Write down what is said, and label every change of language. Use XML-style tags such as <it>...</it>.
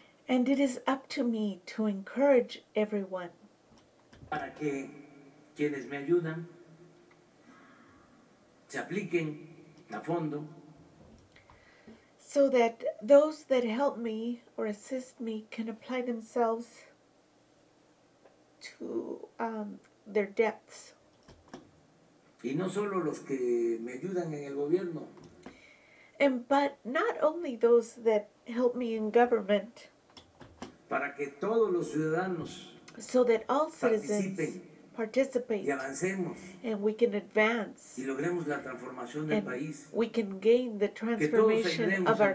<en>And it is up to me to encourage everyone.</en> <es>Para que quienes me ayudan se apliquen a fondo.</es> <en>So that those that help me or assist me can apply themselves to their depths.</en> <es>Y no solo los que me ayudan en el gobierno.</es> <en>And but not only those that help me in government.</en> <es>Para que todos los ciudadanos</es> <en>so that all citizens</en> <es>participen.</es> <en>Participate</en> <es>y avancemos.</es> <en>And we can advance</en> <es>y logremos la transformación del</es> <en>and</en> <es>país.</es> <en>We can gain the transformation of our</en>